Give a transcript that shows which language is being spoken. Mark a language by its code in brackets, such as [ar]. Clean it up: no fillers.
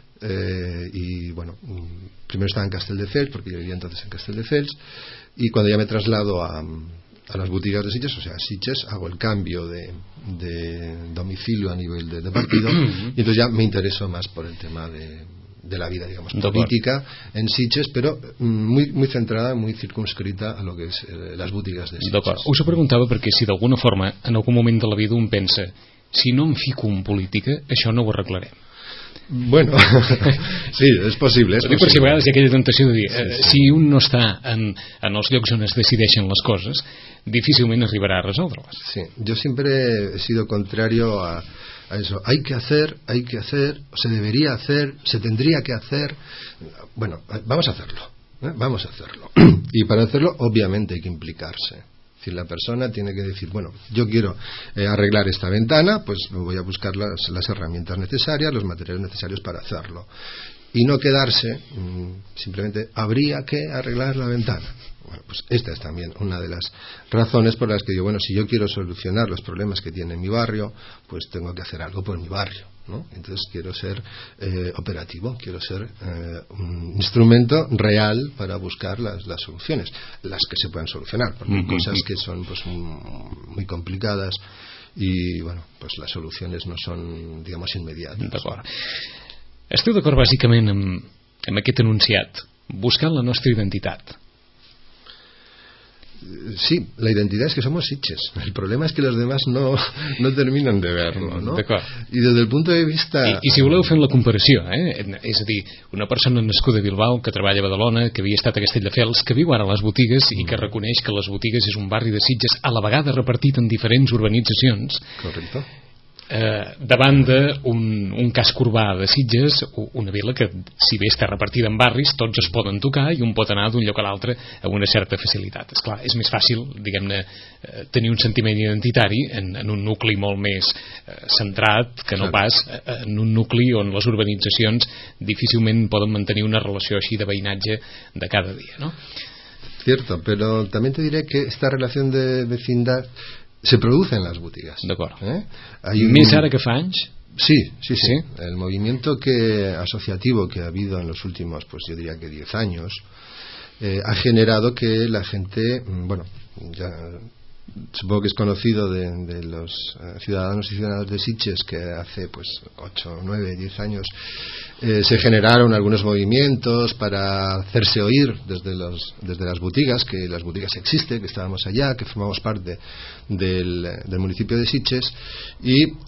[es] Y bueno, primero estaba en Castelldefels, porque yo vivía entonces en Castelldefels, y cuando ya me traslado a las boutiques de Sitges, o sea, Sitges, hago el cambio de domicilio a nivel de partido, y entonces ya me intereso más por el tema de la vida, digamos, política en Sitges, pero muy, muy centrada, muy circunscrita a lo que es las boutiques de Sitges. [ca] D'acord. Us ho preguntava perquè si d'alguna forma, en algun moment de la vida, un pensa, si no em fico en política, això no ho arreglaré. Bueno, sí, és possible. Dic per si a vegades hi ha aquella tentació de dir, sí, sí. Si un no està en els llocs on es decideixen les coses, difícilment arribarà a resoldre-les. [es] Sí, [ca] jo sempre [es] he sido contrario a eso. Hay que hacer, se debería hacer, se tendría que hacer. Bueno, vamos a hacerlo, ¿eh? Vamos a hacerlo. Y para hacerlo, obviamente, hay que implicarse. Si la persona tiene que decir, bueno, yo quiero arreglar esta ventana, pues voy a buscar las herramientas necesarias, los materiales necesarios para hacerlo. Y no quedarse, simplemente, habría que arreglar la ventana. Bueno, pues esta es también una de las razones por las que yo, bueno, si yo quiero solucionar los problemas que tiene mi barrio, pues tengo que hacer algo por mi barrio, ¿no? Entonces quiero ser operativo, quiero ser un instrumento real para buscar las soluciones, las que se puedan solucionar, porque hay cosas que son pues muy complicadas, y bueno, pues las soluciones no son, digamos, inmediatas. [ca] D'acord. Esteu d'acord bàsicament amb aquest enunciat, buscant la nostra identitat? [es] Sí, la identidad es que somos Sitges. El problema es que los demás no terminan de verlo, ¿no? Y desde el punto de vista... [ca] I si voleu fer la comparació, ¿eh? És a dir, una persona nascuda a Bilbao, que treballa a Badalona, que havia estat a Castelldefels, que viu ara a les botigues i que reconeix que les botigues és un barri de Sitges, a la vegada repartit en diferents urbanitzacions. [es] Correcto. [ca] davant d'un casc urbà de Sitges, una vila que si bé està repartida en barris, tots es poden tocar i un pot anar d'un lloc a l'altre amb una certa facilitat. És clar, és més fàcil, diguem-ne, tenir un sentiment identitari en un nucli molt més centrat que no pas en un nucli on les urbanitzacions difícilment poden mantenir una relació així de veïnatge de cada dia, no? [es] Cierto, pero también te diré que esta relación de vecindad se produce en las botigues. [ca] D'acord. [es] Hay un... [ca] Més ara que fa anys? [es] Sí, sí, sí, sí. El movimiento que asociativo que ha habido en los últimos, pues yo diría que 10 años, ha generado que la gente, bueno, ya supongo que es conocido de los ciudadanos y ciudadanas de Sitges que hace pues 8, 9, 10 años se generaron algunos movimientos para hacerse oír desde las botigas, que las botigas existen, que estábamos allá, que formamos parte del municipio de Sitges, y